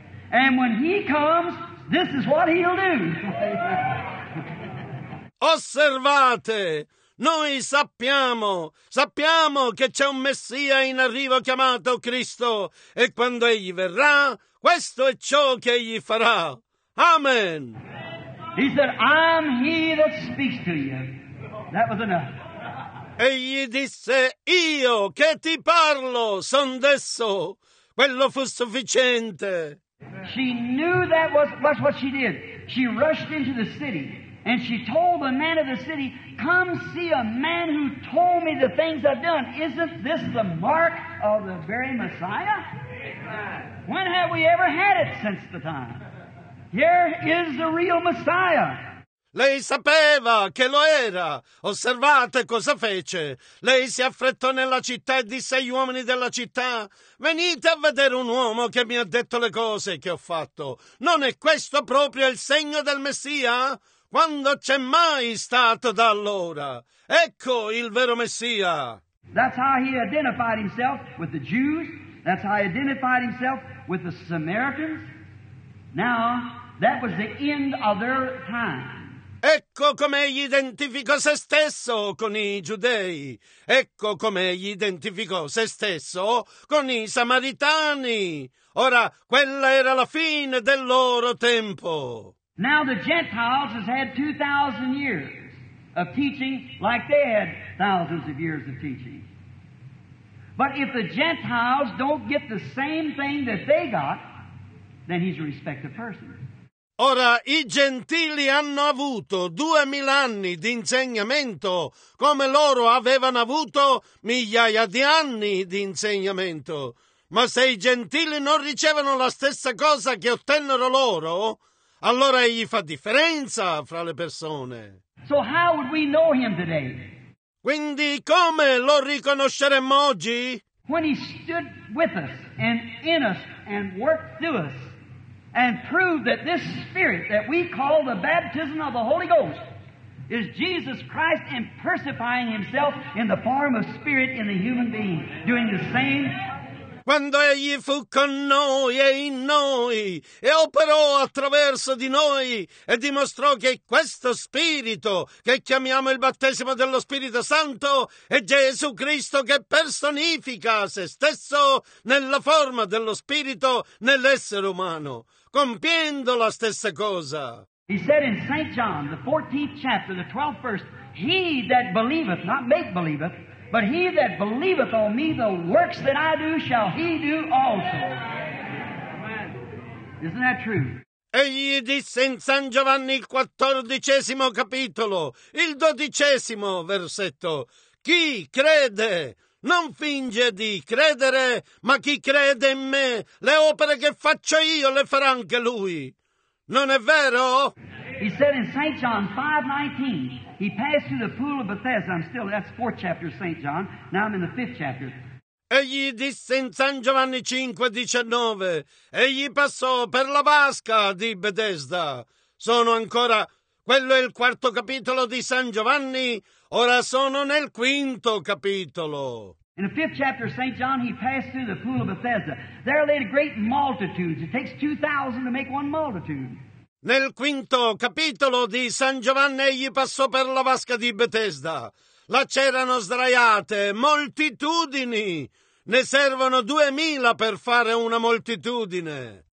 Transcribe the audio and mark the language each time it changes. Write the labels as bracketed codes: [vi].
[en] And when he comes, this is what he'll do. [it] Osservate! Noi sappiamo che c'è un Messia in arrivo chiamato Cristo. E quando egli verrà, questo è ciò che egli farà. Amen! [en] He said, I'm he that speaks to you. That was enough. [it] E gli disse, io che ti parlo, son desso. Quello fu sufficiente. [en] She knew that was what she did. She rushed into the city and she told the man of the city, come see a man who told me the things I've done. Isn't this the mark of the very Messiah? When have we ever had it since the time? Here is the real Messiah. [it] Lei sapeva che lo era. Osservate cosa fece. Lei si affrettò nella città e disse agli uomini della città, venite a vedere un uomo che mi ha detto le cose che ho fatto. Non è questo proprio il segno del Messia? Quando c'è mai stato da allora? Ecco il vero Messia. [en] That's how he identified himself with the Jews. That's how he identified himself with the Samaritans. Now, that was the end of their time. [it] Ecco come egli identificò se stesso con i giudei. Ecco come egli identificò se stesso con i samaritani. Ora, quella era la fine del loro tempo. [en] Now the Gentiles has had 2,000 years of teaching like they had thousands of years of teaching. But if the Gentiles don't get the same thing that they got, then he's a respected person. [it] Ora, i gentili hanno avuto 2,000 anni di insegnamento, come loro avevano avuto migliaia di anni di insegnamento. Ma se i gentili non ricevono la stessa cosa che ottennero loro, allora egli fa differenza fra le persone. [en] So how would we know him today? [it] Quindi come lo riconosceremmo oggi? [en] When he stood with us and in us and worked through us. And prove that this spirit that we call the baptism of the Holy Ghost is Jesus Christ impersonifying himself in the form of spirit in the human being, doing the same. [it] Quando egli fu con noi e in noi e operò attraverso di noi e dimostrò che questo spirito che chiamiamo il battesimo dello Spirito Santo è Gesù Cristo che personifica se stesso nella forma dello spirito nell'essere umano. Compiendo la stessa cosa. [en] He said in St. John, the 14th chapter, the 12th verse, he that believeth, not make believeth, but he that believeth on me, the works that I do shall he do also. Isn't that true? [it] Egli disse in San Giovanni, il 14° capitolo, il 12° versetto, chi crede? Non finge di credere, ma chi crede in me, le opere che faccio io le farà anche lui. Non è vero? [en] He said in St. John 5:19, he passed through the pool of Bethesda. I'm still, that's 4th chapter of St. John. Now I'm in the 5th chapter. [it] Egli disse in San Giovanni 5,19: egli passò per la vasca di Betesda. Sono ancora, quello è il quarto capitolo di San Giovanni, ora sono nel quinto capitolo. [en] In the fifth chapter of St. John, he passed through the pool of Bethesda. There lay a great multitude. It takes 2,000 to make one multitude. [it] Nel quinto capitolo di San Giovanni, egli passò per la vasca di Betesda. Là c'erano sdraiate moltitudini. Ne servono 2,000 per fare una moltitudine.